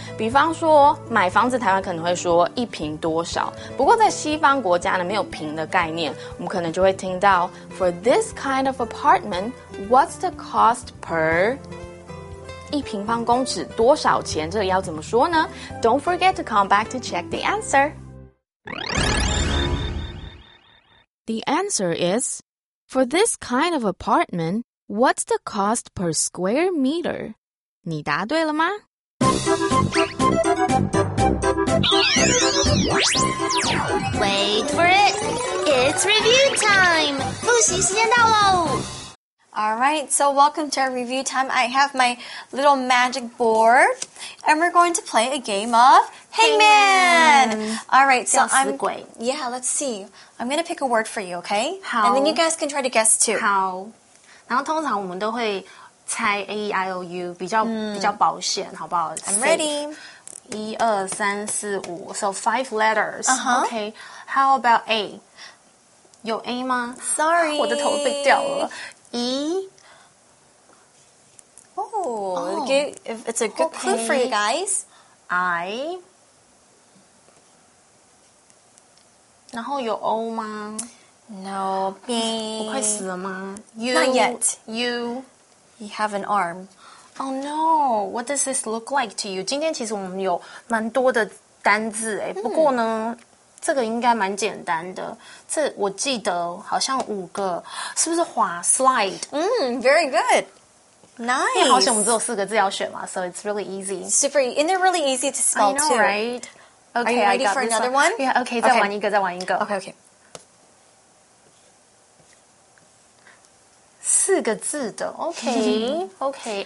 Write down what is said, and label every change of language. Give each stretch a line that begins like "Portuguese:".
Chinese: 比方说，买房子台湾可能会说一坪多少，不过在西方国家呢，没有坪的概念，我们可能就会听到
English: For this kind of apartment, what's the cost per
Chinese: 一平方公尺多少钱？这个要怎么说呢？
English: Don't forget to come back to check the answer. The answer is For this kind of apartment,What's the cost per square meter?
Chinese: 你答对了吗？
English: Wait for it! It's review time!
Chinese: 习时间到喽。
English: Alright, so welcome to our review time. I have my little magic board, and we're going to play a game of Hangman! Alright, so I'm...
Chinese: 吊死鬼.
English: Yeah, let's see. I'm going to pick a word for you, okay?
Chinese: 好.
English: And then you guys can try to guess too.
Chinese: 好. 然后通常我们都会猜 A-E-I-O-U, 比较保险，好不好?
English: I'm ready.
Chinese: 一二三四五
English: so five letters. Uh-huh. Okay, how about A?
Chinese: 有 A 吗?
English: Sorry.
Chinese: 我的头被吊了。E?
English: Oh, it's a good clue for you guys. I?
Chinese: 然后有 O 吗?
English: No,
Chinese: B. 我快死了吗?
English: U, Not yet. U? You have an arm. Oh no, what does this look like to you?
Chinese: 今天其实我们有蛮多的单字诶、不过呢这个应该蛮简单的。这我记得好像五个，是不是滑 slide？
English: 嗯 ，very good， nice。
Chinese: 因为好像我们只有四个字要选嘛 ，
English: so it's really easy。 Super easy， and they're really easy to spell too. I know, right? Okay, I got this one. Ready for another one? Yeah, okay.
Chinese: 再玩一个，再玩一个。
English: Okay, okay.
Chinese: 四个字的 ，
English: okay, okay.